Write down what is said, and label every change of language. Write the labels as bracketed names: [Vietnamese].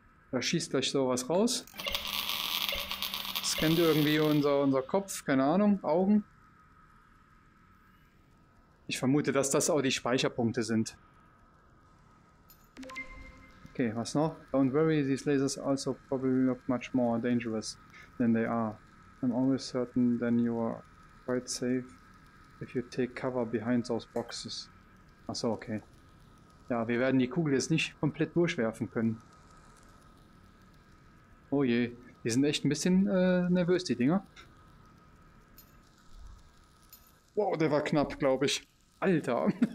[German] Da schießt gleich sowas raus. Scannt irgendwie unser Kopf, keine Ahnung, Augen. Ich vermute, dass das auch die Speicherpunkte sind. Okay, was noch? [English] Don't worry, these lasers also probably look much more dangerous than they are. I'm always certain that you are quite safe if you take cover behind those boxes. [German] Achso, okay. Ja, wir werden die Kugel jetzt nicht komplett durchwerfen können. Oh je, die sind echt ein bisschen nervös, die Dinger. Wow, der war knapp, glaube ich. Alter!